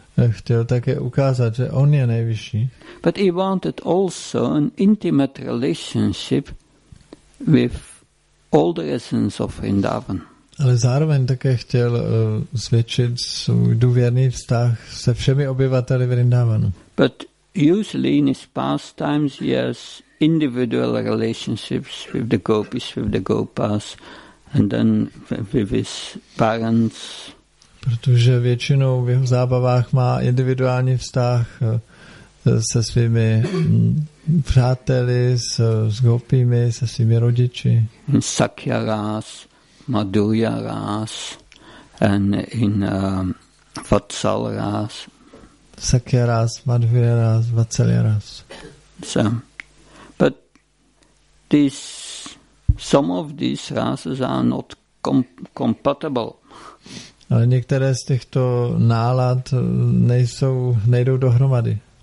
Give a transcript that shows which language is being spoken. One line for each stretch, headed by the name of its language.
Czech: Chtěl také ukázat, že on je nejvyšší.
English: But he wanted also an intimate relationship with all the essence of Vrindavan.
Czech: Ale zároveň také chtěl zvětšit svůj důvěrný vztah se všemi obyvateli Vrindavanu.
English: But usually in his past times he has individual relationships with the gopis, with the gopas, and then with his parents.
Czech: Protože většinou v jeho zábavách má individuální vztah se svými přáteli, s gopími, se svými rodiči.
Sanskrit: Sakya Ras, Madhurya Ras, and in Vatsal Ras. Sakya Ras, Madhurya Ras, Vatsalya Ras.
English: So, but this, some of these rases are not compatible.
Czech: Ale některé z těchto nálad nejdou dohromady.